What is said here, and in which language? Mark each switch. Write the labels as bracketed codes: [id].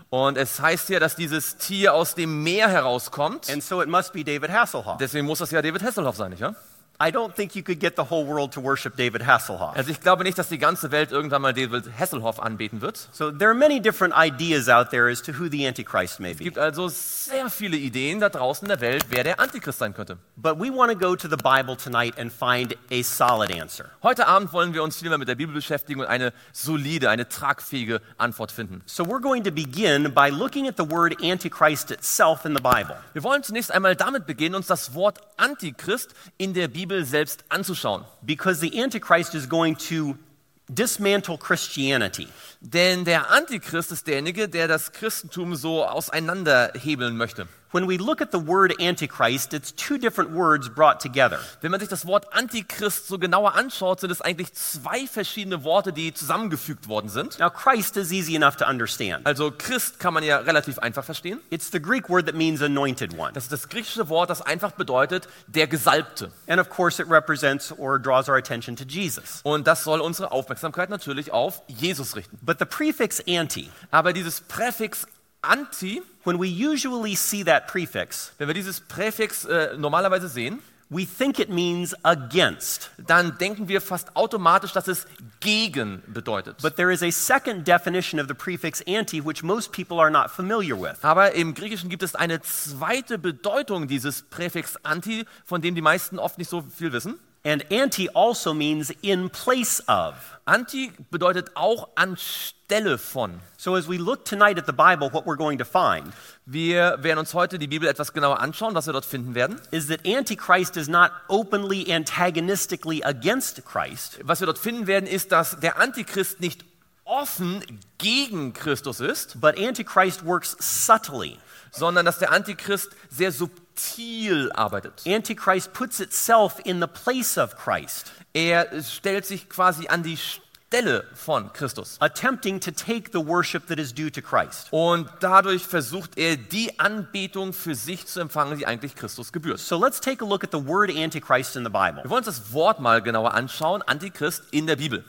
[de] Und es heißt ja, dass dieses Tier aus dem Meer herauskommt. [en] And so it must be David Hasselhoff. [de] Deswegen muss das ja David Hasselhoff sein, nicht wahr? [en] I don't think you could get the whole world to worship David Hasselhoff. [de] Also ich glaube nicht, dass die ganze Welt irgendwann mal David Hasselhoff anbeten wird. [en] So there are many different ideas out there as to who the Antichrist may be. [de] Es gibt also sehr viele Ideen da draußen in der Welt, wer der Antichrist sein könnte. [en] But we want to go to the Bible tonight and find a solid answer. [de] Heute Abend wollen wir uns vielmehr mit der Bibel beschäftigen und eine solide, eine tragfähige Antwort finden. [en] So we're going to begin by looking at the word Antichrist itself in the Bible. [de] Wir wollen zunächst einmal damit beginnen, uns das Wort Antichrist in der Bibel selbst anzuschauen. [en] Because the Antichrist is going to dismantle Christianity. [de] Denn der Antichrist ist derjenige, der das Christentum so auseinanderhebeln möchte. [en] When we look at the word Antichrist, it's two different words brought together. [de] Wenn man sich das Wort Antichrist so genauer anschaut, sind es eigentlich zwei verschiedene Worte, die zusammengefügt worden sind. [en] Now Christ is easy enough to understand. [de] Also Christ kann man ja relativ einfach verstehen. [en] It's the Greek word that means anointed one. [de] Das ist das griechische Wort, das einfach bedeutet der Gesalbte. [en] And of course it represents or draws our attention to Jesus. [de] Und das soll unsere Aufmerksamkeit natürlich auf Jesus richten. [en] But the prefix anti. [de] Aber dieses Präfix anti. [en] When we usually see that prefix, [de] wenn wir dieses Präfix normalerweise sehen, [en] we think it means against. [de] Dann denken wir fast automatisch, dass es gegen bedeutet. [en] But there is a second definition of the prefix anti, which most people are not familiar with. [de] Aber im Griechischen gibt es eine zweite Bedeutung dieses Präfix anti, von dem die meisten oft nicht so viel wissen. [en] And anti also means in place of. [de] Anti bedeutet auch anstelle von. [en] So as we look tonight at the Bible, what we're going to find, [de] wir werden uns heute die Bibel etwas genauer anschauen, was wir dort finden werden, [en] is that Antichrist is not openly antagonistically against Christ. [de] Was wir dort finden werden, ist, dass der Antichrist nicht offen gegen Christus ist, [en] but Antichrist works subtly, [de] sondern dass der Antichrist sehr subtil arbeitet. [en] Antichrist puts itself in the place of Christ. [de] Er stellt sich quasi an die Stelle von Christus. [en] Attempting to take the worship that is due to Christ. [de] Und dadurch versucht er, die Anbetung für sich zu empfangen, die eigentlich Christus gebührt. [en] So let's take a look at the word Antichrist in the Bible. [de] Wir wollen uns das Wort mal genauer anschauen, Antichrist in der Bibel.